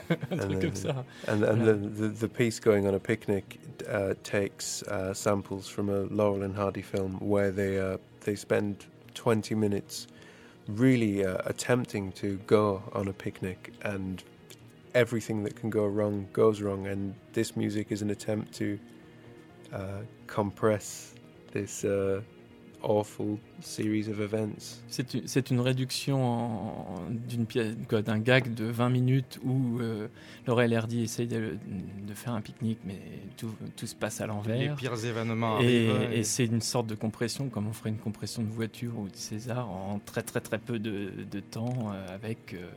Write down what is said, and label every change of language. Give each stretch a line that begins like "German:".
French: Un truc comme ça.
English: And voilà. the piece going on a picnic takes samples from a Laurel and Hardy film where they spend 20 minutes really attempting to go on a picnic, and everything that can go wrong goes wrong, and this music is an attempt to compress this awful series of events.
French: C'est une réduction d'une pièce, quoi, d'un gag de 20 minutes où Laurel Hardy essaye de faire un pique-nique, mais tout se passe à l'envers. Les pires événements arrivent. Et c'est une sorte de compression, comme on ferait une compression de voiture ou de César, en très très très peu de temps, avec